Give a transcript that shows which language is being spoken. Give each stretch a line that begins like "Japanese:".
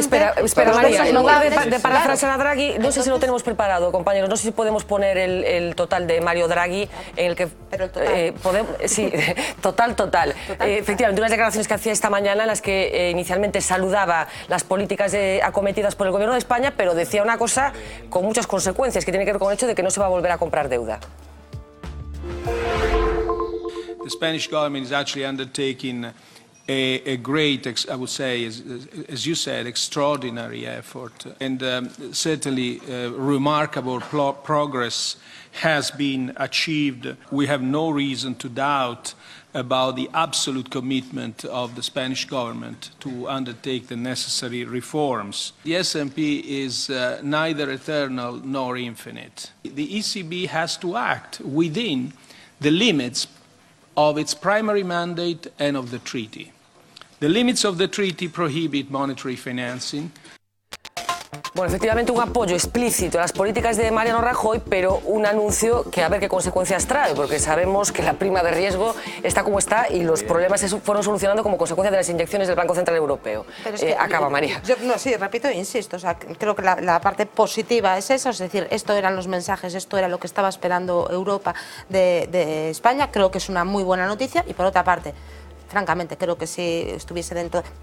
Spanish: Espera María, en lugar de parafrasear a Draghi, no sé si lo tenemos preparado, compañeros, no sé si podemos poner el total de Mario Draghi, en el que. Pero el total. Total. Efectivamente, unas declaraciones que hacía esta mañana en las que inicialmente saludaba las políticas acometidas por el Gobierno de España, pero decía una cosa con muchas consecuencias, que tiene que ver con el hecho de que no se va a volver a comprar deuda.
English: The Spanish government is actually undertaking a great, I would say, as you said, extraordinary effort. And certainly remarkable progress has been achieved. We have no reason to doubt about the absolute commitment of the Spanish government to undertake the necessary reforms. The SNP is neither eternal nor infinite. The ECB has to act within the limits of its primary mandate and of the treaty. The limits of the treaty prohibit monetary financing.
Spanish: Bueno, efectivamente un apoyo explícito a las políticas de Mariano Rajoy, pero un anuncio que a ver qué consecuencias trae, porque sabemos que la prima de riesgo está como está y los problemas se fueron solucionando como consecuencia de las inyecciones del Banco Central Europeo. Pero es que acaba, María. Yo, no, sí, repito e insisto, o sea, creo que la parte positiva es esa, es decir, esto eran los mensajes, esto era lo que estaba esperando Europa de España, creo que es una muy buena noticia y por otra parte, francamente, creo que si estuviese dentro.